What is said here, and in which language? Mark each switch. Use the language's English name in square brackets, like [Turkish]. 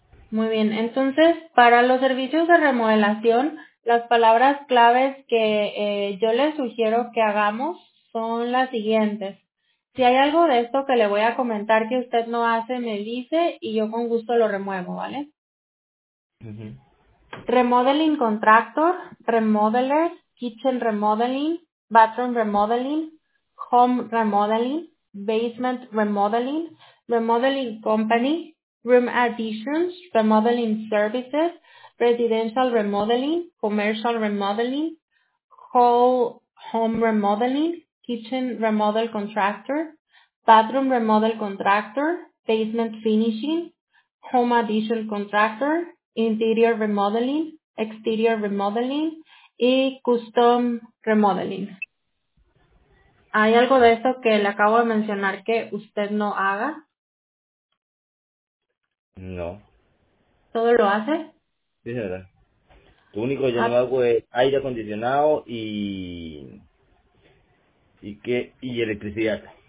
[Spanish] Muy bien, entonces, para los servicios de remodelación, las palabras claves que yo les sugiero que hagamos son las siguientes. Si hay algo de esto que le voy a comentar que usted no hace, me dice y yo con gusto lo remuevo, ¿vale? Uh-huh. [English] Remodeling contractor, remodeler, kitchen remodeling, bathroom remodeling, home remodeling, basement remodeling, remodeling company, room additions, remodeling services, residential remodeling, commercial remodeling, whole home remodeling, kitchen remodel contractor, bathroom remodel contractor, basement finishing, home addition contractor, interior remodeling, exterior remodeling y custom remodeling. [Spanish] ¿Hay algo de esto que le acabo de mencionar que usted no haga? No. ¿Todo lo hace? Sí, señora. Lo único que yo no hago es aire acondicionado y electricidad.